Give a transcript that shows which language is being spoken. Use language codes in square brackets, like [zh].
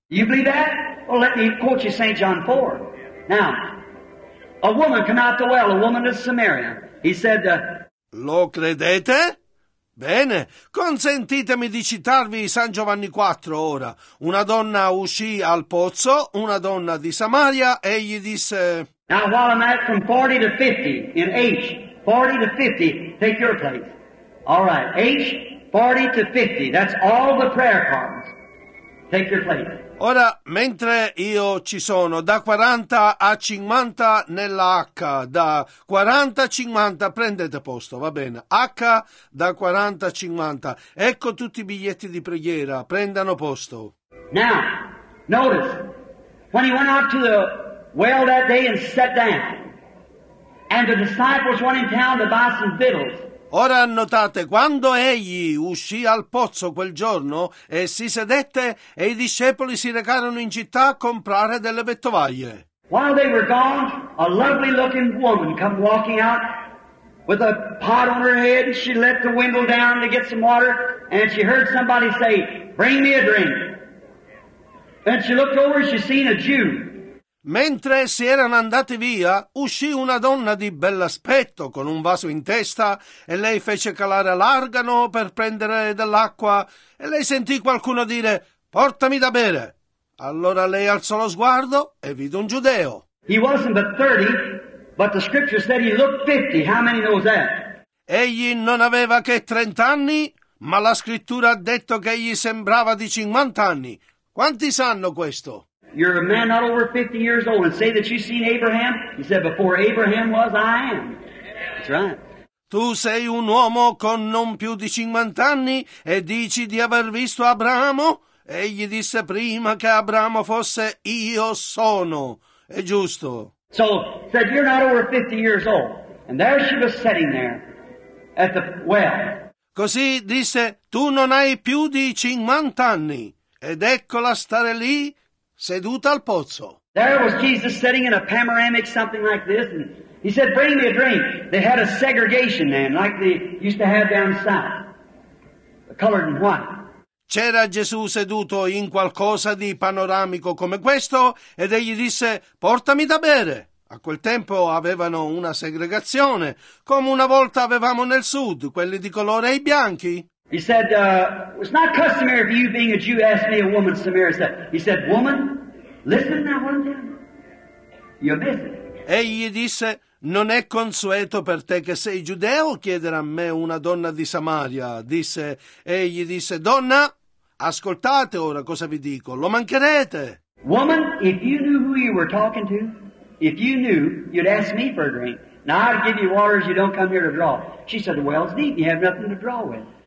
[en] You believe that? Well, let me quote you St. John 4. Now, a woman came out the well, a woman of Samaria. He said, [it] lo credete? Bene, consentitemi di citarvi San Giovanni 4 ora. Una donna uscì al pozzo, una donna di Samaria, e gli disse... [en] Now while I'm at from 40 to 50 in H, 40 to 50, take your place. All right, H, 40 to 50, that's all the prayer cards. Take your place. [it] Ora, mentre io ci sono, da 40 a 50 nella H, da 40 a 50, prendete posto, va bene. H, da 40 a 50. Ecco tutti i biglietti di preghiera, prendano posto. [en] Now, notice, when he went out to the well that day and sat down, and the disciples went in town to buy some victuals. [it] Ora notate, quando egli uscì al pozzo quel giorno e si sedette, e i discepoli si recarono in città a comprare delle vettovaglie. [en] While they were gone, a lovely looking woman came walking out with a pot on her head, and she let the window down to get some water, and she heard somebody say, bring me a drink. And she looked over and she seen a Jew. [it] Mentre si erano andati via, uscì una donna di bell'aspetto con un vaso in testa e lei fece calare l'argano per prendere dell'acqua e lei sentì qualcuno dire, portami da bere. Allora lei alzò lo sguardo e vide un giudeo. [en] He wasn't but 30, but the scripture said he looked 50. How many knows that? [it] Egli non aveva che 30 anni, ma la scrittura ha detto che egli sembrava di 50 anni. Quanti sanno questo? [en] You're a man not over 50 years old, and say that you've seen Abraham. He said, before Abraham was, I am. That's right. [it] Tu sei un uomo con non più di 50 anni e dici di aver visto Abramo? Egli disse, prima che Abramo fosse, io sono. È giusto. [en] So, said, you're not over 50 years old. And there she was sitting there at the well. [it] Così disse, tu non hai più di 50 anni. Ed eccola stare lì, seduta al pozzo. [en] There was Jesus sitting in a panoramic something like this, and he said, bring me a drink. They had a segregation then, like they used to have down south, colored in white. [it] C'era Gesù seduto in qualcosa di panoramico come questo, ed egli disse, portami da bere. A quel tempo avevano una segregazione, come una volta avevamo nel sud, quelli di colore ai bianchi. [en] He said, it's not customary for you being a Jew, ask me a woman, Samaria said. He said, woman, listen now, what I'm telling you. You're busy. [it] Egli disse, «Non è consueto per te che sei giudeo chiedere a me una donna di Samaria?» disse. Egli disse, «Donna, ascoltate ora cosa vi dico, lo mancherete!» [en] Woman, if you knew who you were talking to, if you knew, you'd ask me for a drink. Now I'd give you water as you don't come here to draw. She said, the well's deep, you have nothing to draw with.